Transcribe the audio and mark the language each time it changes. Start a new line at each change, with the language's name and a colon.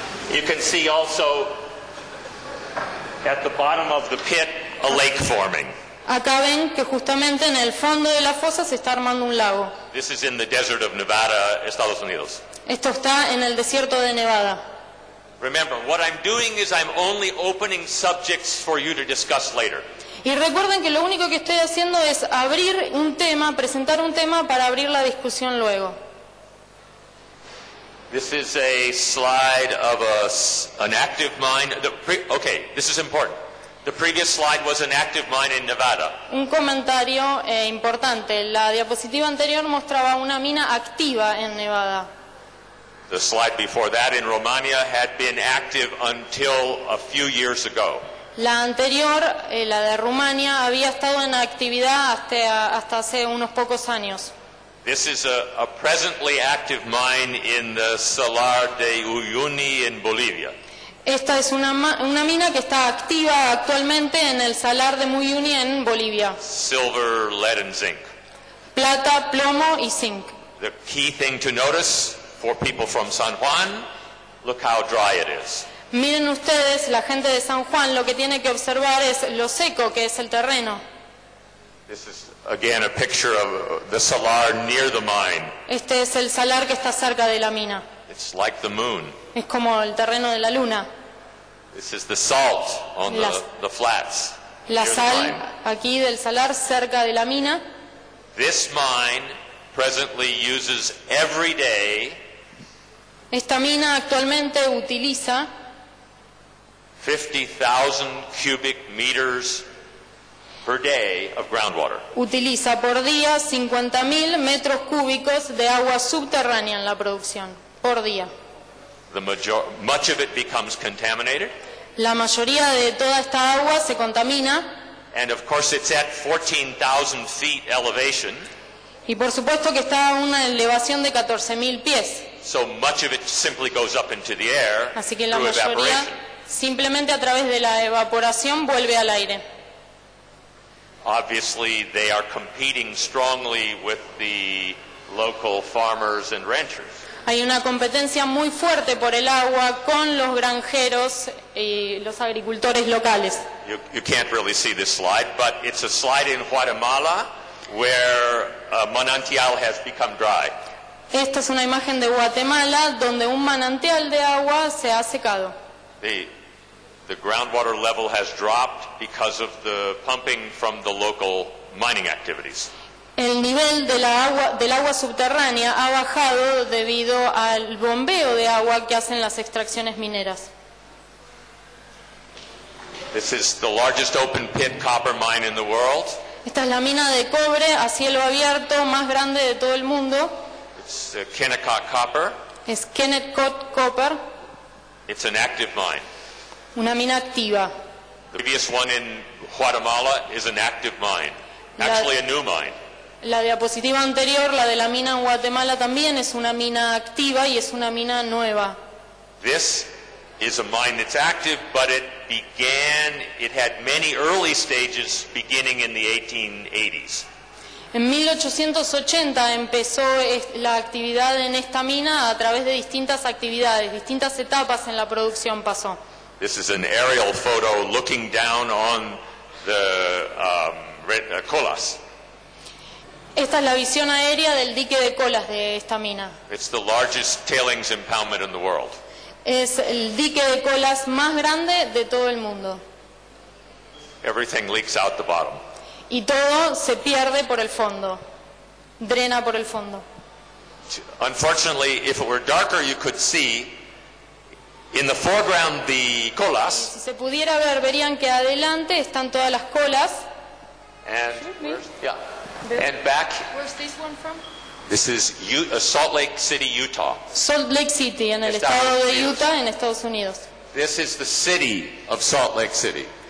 English: You can see also at the bottom of the pit a lake forming.
Spanish: Acá ven que justamente en el fondo de la fosa se está armando un lago.
English: This is in the desert of Nevada, Estados Unidos.
Spanish: Esto está en el desierto de Nevada.
English: Remember, what I'm doing is I'm only opening subjects for you to discuss later.
Spanish: Y recuerden que lo único que estoy haciendo es abrir un tema, presentar un tema para abrir la discusión luego.
English: This is a slide of an active mine. Okay, this is important. The previous slide was an active mine in Nevada.
Spanish: Un comentario importante. La diapositiva anterior mostraba una mina activa en Nevada.
English: The slide before that in Romania had been active until a few years ago.
Spanish: La anterior, la de Rumania, había estado en actividad hasta hace unos pocos años.
English: This is a presently active mine in the Salar de Uyuni in Bolivia.
Spanish: Esta es una mina que está activa actualmente en el Salar de Uyuni en Bolivia.
English: Silver, lead and zinc.
Spanish: Plata, plomo y zinc.
English: The key thing to notice for people from San Juan, look how dry it is.
Spanish: Miren ustedes, la gente de San Juan, lo que tiene que observar es lo seco que es el terreno.
English: This is again a picture of the salar near the mine.
Spanish: Este es el salar que está cerca de la mina.
English: It's like the moon.
Spanish: Es como el terreno de la luna.
English: This is the salt on the flats.
Spanish: La sal aquí del salar cerca de la mina.
English: This mine presently uses every day.
Spanish: Esta mina actualmente utiliza
English: 50,000 cubic meters per day of groundwater.
Spanish: Utiliza por día 50,000 metros cúbicos de agua subterránea en la producción por día.
English: Much of it becomes contaminated.
Spanish: La mayoría de toda esta agua se contamina.
English: And of course it's at 14,000 feet elevation.
Spanish: Y por supuesto que está a una elevación de 14,000 pies.
English: So much of it simply goes up into the air.
Spanish: Así que la mayoría simplemente a través de la evaporación vuelve al aire.
English: Obviously they are competing strongly with the local farmers and ranchers.
Spanish: Hay una competencia muy fuerte por el agua con los granjeros y los agricultores locales.
English: You can't really see this slide, but it's a slide in Guatemala where a manantial has become dry.
Spanish: Esta es una imagen de Guatemala donde un manantial de agua se ha secado.
English: The groundwater level has dropped because of the pumping from the local mining activities.
Spanish: El nivel de la agua, del agua subterránea ha bajado debido al bombeo de agua que hacen las extracciones mineras.
English: This is the largest open pit copper mine in the world.
Spanish: Esta es la mina de cobre a cielo abierto más grande de todo el mundo.
English: It's Kennecott Copper.
Spanish: Es Kennecott Copper.
English: It's an active mine.
Spanish: Una mina activa.
English: The previous one in Guatemala is an active mine. Actually a new mine.
Spanish: La diapositiva anterior, la de la mina en Guatemala, también es una mina activa y es una mina nueva.
English: This is a mine that's active, but it had many early stages beginning in the 1880s.
Spanish: En 1880 empezó la actividad en esta mina a través de distintas actividades, distintas etapas en la producción pasó.
English: This is an aerial photo looking down on the colas.
Spanish: Esta es la visión aérea del dique de colas de esta mina.
English: It's the largest tailings impoundment in the world.
Spanish: Es el dique de colas más grande de todo el mundo.
English: Everything leaks out the bottom.
Spanish: Y todo se pierde por el fondo. Drena por el fondo.
English: Unfortunately, if it were darker, you could see in the foreground the colas.
Spanish: Si se pudiera ver, verían que adelante están todas las colas.
English: And and back. Where's this one from? This is Salt Lake City, Utah.
Spanish: Salt Lake City, en el estado de Utah, en Estados Unidos.
English: This is the city of Salt Lake City.